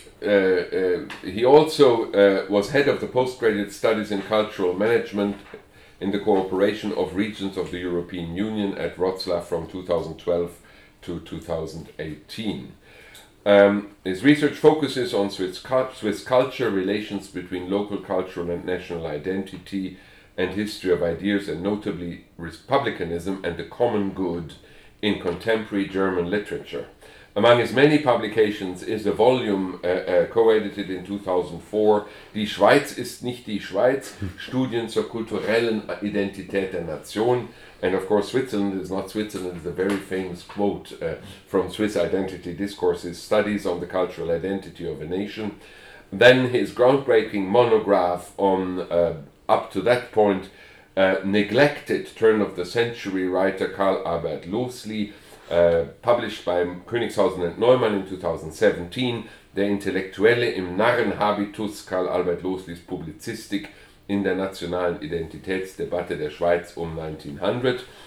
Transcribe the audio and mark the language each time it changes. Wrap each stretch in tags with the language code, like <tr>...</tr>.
<en>He also was head of the postgraduate studies in cultural management in the cooperation of regions of the European Union at Wroclaw from 2012 to 2018. His research focuses on Swiss culture, relations between local cultural and national identity and history of ideas, and notably republicanism and the common good in contemporary German literature. Among his many publications is a volume co-edited in 2004,</en> <de>Die Schweiz ist nicht die Schweiz, Studien zur kulturellen Identität der Nation.</de> <en>And of course, Switzerland is not Switzerland, is a very famous quote from Swiss Identity Discourses, Studies on the Cultural Identity of a Nation. Then his groundbreaking monograph on, up to that point, neglected turn of the century writer Karl Albert Loosley, published by Königshausen and Neumann in 2017,</en> <de>Der Intellektuelle im Narrenhabitus, Karl Albert Loosley's Publizistik in der nationalen Identitätsdebatte der Schweiz um 1900.</de>